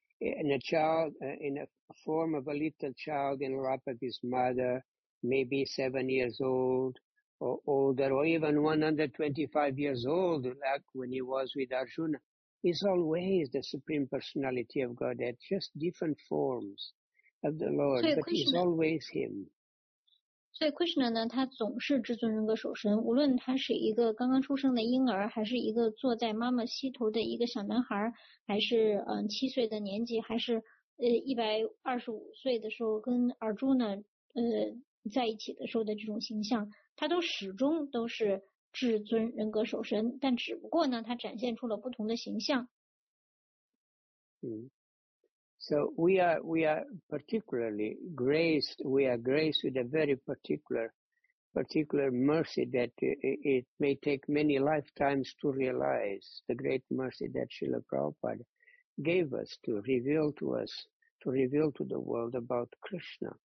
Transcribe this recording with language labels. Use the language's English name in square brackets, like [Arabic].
[English] in a child, in a form of a little child in the lap of his mother, maybe 7 years old or older, or even 125 years old, like when he was with Arjuna, is always the Supreme Personality of Godhead, just different forms of the Lord, but he's always him. [Chinese] 所以 Krishna 呢，他总是至尊人格守身，无论他是一个刚刚出生的婴儿，还是一个坐在妈妈膝头的一个小男孩，还是七岁的年纪，还是125岁的时候跟尔朱呢在一起的时候的这种形象，他都始终都是至尊人格守身，但只不过呢，他展现出了不同的形象。 [English] So we are particularly graced, we are graced with a very particular mercy that it may take many lifetimes to realize, the great mercy that Srila Prabhupada gave us to reveal to us, to reveal to the world about Krishna.